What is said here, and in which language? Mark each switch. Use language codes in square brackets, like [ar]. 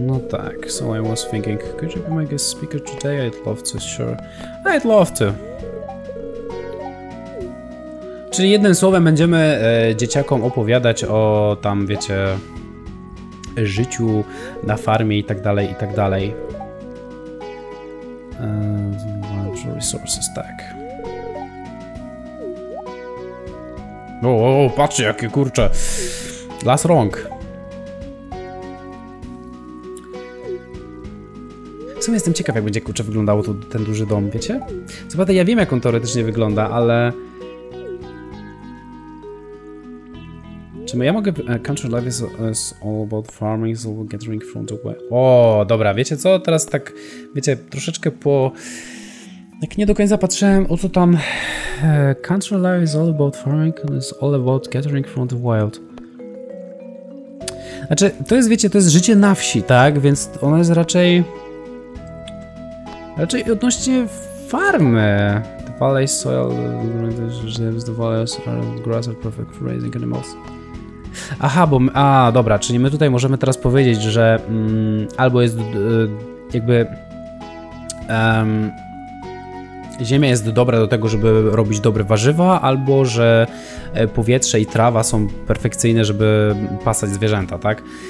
[en] Tak, so I was thinking, could you be my guest speaker today? I'd love to, sure. I'd love to. [pl] Czyli jednym słowem będziemy dzieciakom opowiadać o tam, wiecie, życiu na farmie i tak dalej. [en] Natural resources, tak. [pl] O, patrzcie, jakie kurcze. [en] Last wrong. [pl] sumie jestem ciekaw, jak będzie, kurczę, wyglądało tu ten duży dom, wiecie? Co prawda ja wiem, jak on teoretycznie wygląda, ale... Czy ja mogę... [en] Country life is all about farming, so gathering from the... [pl] O, dobra, wiecie co? Teraz tak, wiecie, troszeczkę po... Jak nie do końca patrzyłem, o co tam... [en] Country life is all about farming, is all about gathering from the wild. [pl] Znaczy, to jest, wiecie, to jest życie na wsi, tak? Więc ono jest raczej... Raczej odnośnie farmy. [en] The valley soil, the valley soil, grass are perfect for raising animals. [pl] Aha, bo... A, dobra, czyli my tutaj możemy teraz powiedzieć, że albo jest jakby... ziemia jest dobra do tego, żeby robić dobre warzywa, albo że powietrze i trawa są perfekcyjne, żeby pasać zwierzęta, tak?